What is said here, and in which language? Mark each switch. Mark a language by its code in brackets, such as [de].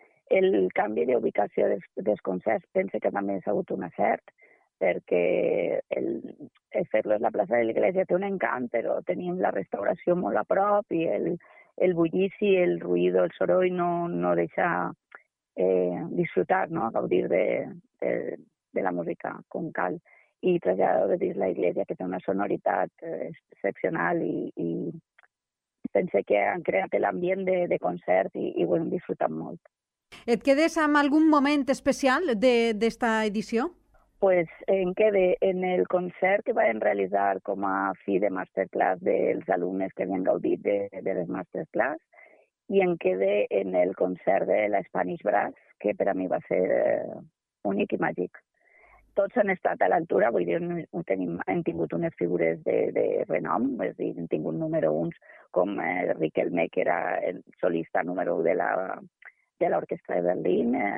[ca] El canvi d'ubicació dels concerts penso que també ha sigut un acert, perquè el fer-lo a la plaça de l'Església té un encant, però tenim la restauració molt a prop i el bullici, el ruïdo, el soroll no deixa disfrutar, no? Gaudir de la música com cal. I traslladar des de la Església, que té una sonoritat excepcional i penso que han creat l'ambient de concert i ho hem disfrutat molt. ¿Et quedes [es] en algún momento especial de esta edición? [ca] Pues en el concert que van realitzar com a fi de masterclass dels alumnes que havien gaudit de les masterclass, i en quede en el concert de la Spanish Brass, que per a mi va ser únic i màgic. Tots han estat a l'altura, vull dir, hem tingut unes figures de renom, és a dir, hem tingut número uns com Riquelme, que era el solista número 1 de l'Orquestra de Berlín.